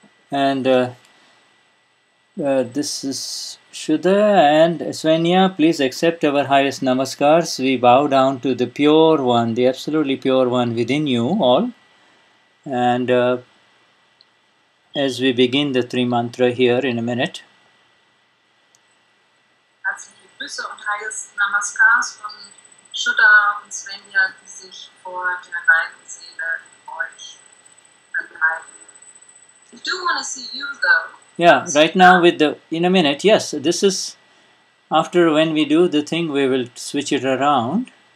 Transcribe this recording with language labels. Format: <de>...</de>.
<en>And this is Shuddha and Swenja, please accept our highest namaskars. We bow down to the pure one, the absolutely pure one within you all. And as we begin the three mantra here in a minute.</en> <de>Herzliche Grüße und</de> <en>highest namaskars</en> <de>von Shuddha und Swenja, die sich vor der reinen Seele in euch enthalten.</de> <en>We do want to see you though. Yeah, right now with the, in a minute, yes, this is, after when we do the thing, we will switch it around.</en>